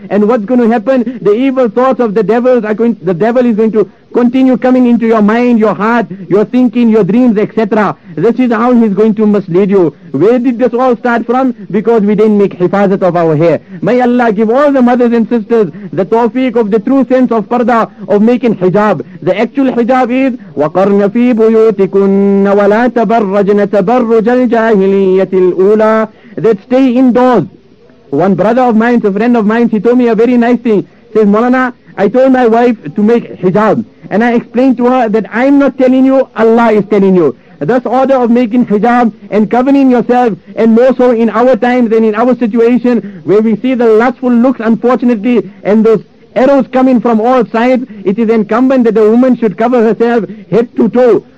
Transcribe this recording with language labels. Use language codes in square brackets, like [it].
[en] And what's going to happen? The evil thoughts of the devil is going to continue coming into your mind, your heart, your thinking, your dreams, etc. This is how he's going to mislead you. Where did this all start from? Because we didn't make hifazat of our hair. May Allah give all the mothers and sisters the tawfiq of the true sense of parda, of making hijab. The actual hijab is, [ar] وَقَرْنَ فِي بُيُوتِكُنَّ وَلَا تَبَرَّجْنَ تَبَرُّجَ الْجَاهِلِيَّةِ الْأُولَى. [en] That stay indoors. One brother of mine, a friend of mine, he told me a very nice thing. He says, Molana, I told my wife to make hijab. And I explained to her that I'm not telling you, Allah is telling you. This order of making hijab and covering yourself, and more so in our times and in our situation where we see the lustful looks, unfortunately, and those arrows coming from all sides, it is incumbent that a woman should cover herself head to toe.